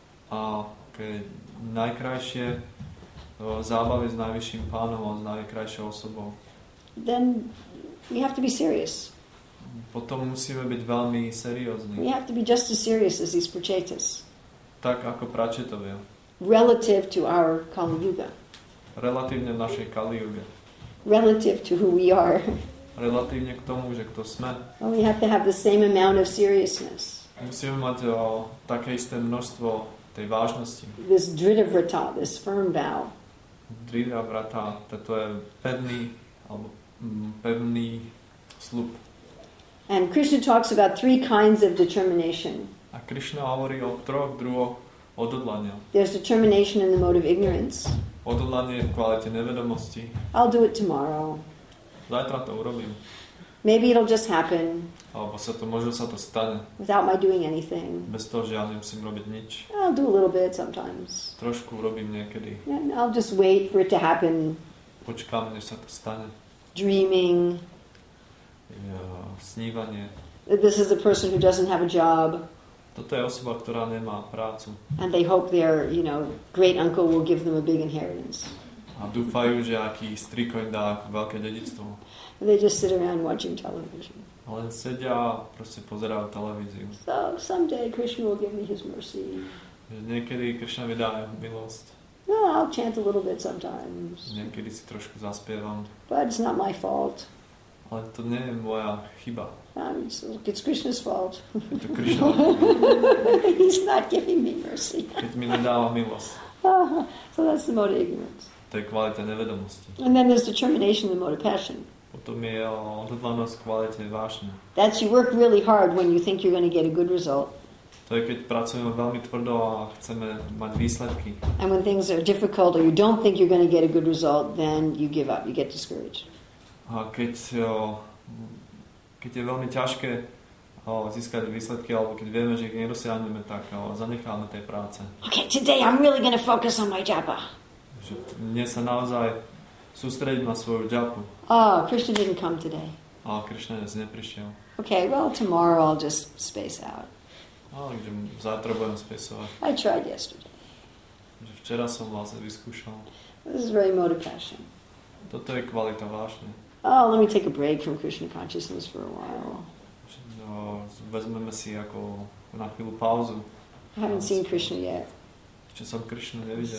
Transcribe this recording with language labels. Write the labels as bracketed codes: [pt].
[sk] a najkrajšie zábavy s najvyšším pánom a s najkrajšou osobou, [en] then we have to be serious. [sk] Potom musíme byť veľmi seriózni. [en] We have to be just as serious as these prachetas. [sk] Tak ako prachetovia. [en] Relative to our Kali Yuga. [sk] Relatívne v našej Kali Yuga. [en] Relative to who we are. [sk] Relatívne k tomu, že kto sme. [en] And we have to have the same amount of seriousness. [sk] Musíme mať také isté množstvo tej vážnosti. [en] This dridha vrata, this firm vow. [sk] Dridha vrata, toto je pevný, alebo pevný sľub. [en] And Krishna talks about three kinds of determination. [sk] A Krishna hovorí o troch druhoch odhodlania. [en] There's determination in the mode of ignorance. [sk] Odhodlanie v kvalite nevedomosti. [en] I'll do it tomorrow. [sk] Zajtra to urobím. [en] Maybe it'll just happen. [sk] Alebo sa to, možno sa to stane. [en] Without my doing anything. [sk] Bez toho, že ja nemusím robiť nič. [en] I'll do a little bit sometimes. [sk] Trošku urobím niekedy. [en] And I'll just wait for it to happen. [sk] Počkám, než sa to stane. [en] Dreaming. [sk] Snívanie. [en] This is a person who doesn't have a job. [sk] Toto je osoba, ktorá nemá prácu. [en] And they hope their, you know, great uncle will give them a big inheritance. [sk] A dúfajú, že aký strýko im dá veľké dedičstvo. [en] They just sit around watching television. [sk] Len sedia a proste pozerajú televíziu. [en] So someday Krishna will give me his mercy. [sk] Niekedy Krishna mi dá milosť. [en] No, I'll chant a little bit sometimes. [sk] Niekedy si trošku zaspievam. [en] But it's not my fault. [sk] Ale to nie je moja chyba. [en] It's Krishna's fault. [sk] Je to Krishna. [en] He's not giving me mercy. [sk] Keď mi nedáva milosť. [en] So that's the mode of ignorance. [sk] To je kvalita nevedomosti. [en] And then there's determination, the mode of passion. [sk] Potom je odhodlanosť kvalite vášne. [en] That's you work really hard when you think you're going to get a good result. [sk] To je keď pracujeme veľmi tvrdo a chceme mať výsledky. [en] And when things are difficult or you don't think you're going to get a good result, then you give up, you get discouraged. [sk] A keď je veľmi ťažké získať výsledky, alebo keď vieme, že ich nedosiahneme, tak zanecháme tej práce. [en] Okay, today I'm really going to focus on my japa. [sk] Že dnes sa naozaj sústredím na svoju japu. [en] Oh, Krishna didn't come today. [sk] Oh, Krishna dnes neprišiel. [en] Okay, well, tomorrow I'll just space out. [sk] Takže zajtra budem spacovať. [en] I tried yesterday. [sk] Že včera som vlastne vyskúšal. [en] This is very mode of passion. [sk] Toto je kvalita vášne. [en] oh, let me take a break from Krishna consciousness for a while. [sk] No, vezmeme si ako na chvíľu pauzu. [en] I haven't seen Krishna yet. [sk] Ešte som Krishnu nevidel.